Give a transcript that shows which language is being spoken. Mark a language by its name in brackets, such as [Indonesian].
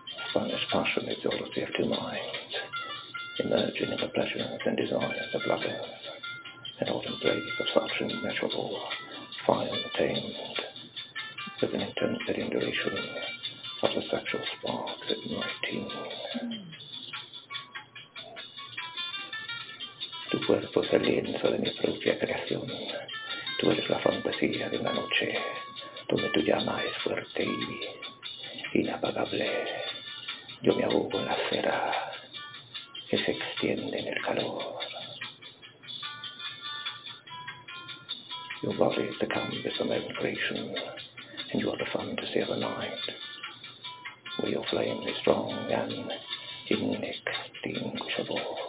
[English] Spanish passion is the oddity of two minds, emerging in the pleasures and desires of lovers, an autumn blaze of such immeasurable fire attained, with an intensity and duration of the sexual sparks at 19. [Spanish] Tu cuerpo es el lienzo de mi propia creación, tú eres la fantasía de una noche, donde tu llama es fuerte y inapagable. Yo me ahogo en la cera que se extiende en el calor. [English] Your body is the canvas of my creation, and you are the fantasy of a night, where your flame is strong and inextinguishable.